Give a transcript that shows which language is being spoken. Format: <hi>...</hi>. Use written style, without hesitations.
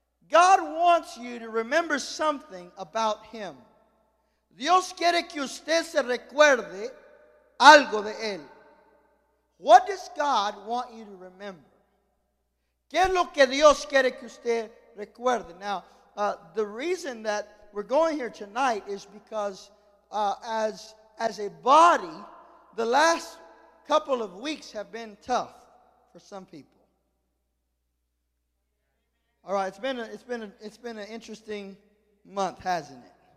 <en>God wants you to remember something about Him.</en> <es>Dios quiere que usted se recuerde algo de Él.</es> <en>What does God want you to remember?</en> <es>¿Qué es lo que Dios quiere que usted recuerde?</es> <en>Now, the reason that we're going here tonight is because as a body, the last couple of weeks have been tough for some people. All right, it's been an interesting month, hasn't it?</en>